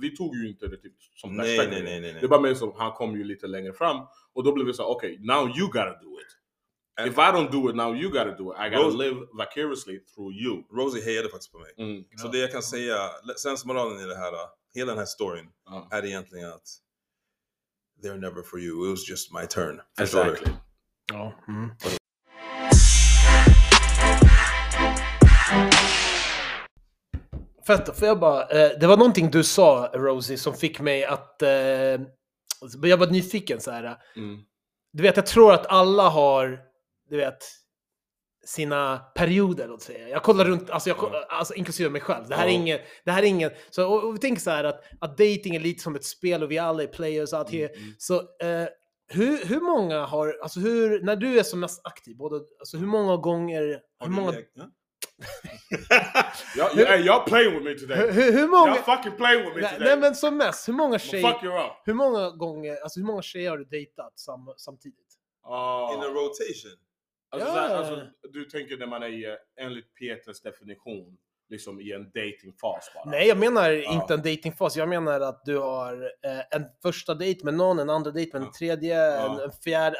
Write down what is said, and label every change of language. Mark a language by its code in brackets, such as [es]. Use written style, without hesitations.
[sv] Vi tog ju inte det typ som nej, nej, nej, nej, nej. Det var mer som han kom ju lite längre fram. Och då blev vi så, okej, [en] now you gotta do it. And if I don't do it, now you gotta do it. I gotta live vicariously through you. [sv] Rosie hejade faktiskt på mig. Mm. Så det jag kan säga, sens moralen i det här, hela den här storyn, är egentligen att [en] they're never for you. It was just my turn. Exactly. [sv] Fett, för jag bara, det var någonting du sa, Rosie, som fick mig att... jag var nyfiken så här. Du vet, jag tror att alla har, du vet, sina perioder, låt säga. Jag kollar runt, alltså inklusive mig själv. Det här är ingen... Så, och vi tänker så här att dating är lite som ett spel och vi alla är players. Så hur många har... Alltså, när du är som mest aktiv, både, alltså, hur många gånger... [en] Y'all playing with me today. Y'all fucking playing with me today. [sv] Nej, men som mest, hur många tjejer, [en] fuck you up. [sv] Hur många gånger, alltså hur många tjejer har du dejtat samtidigt? [en] In a rotation. [sv] Alltså, du tänker när man är enligt Peters definition liksom i en datingfas bara. Nej, jag menar inte en datingfas. Jag menar att du har en första dejt med någon, en andra dejt med en tredje, en fjärde.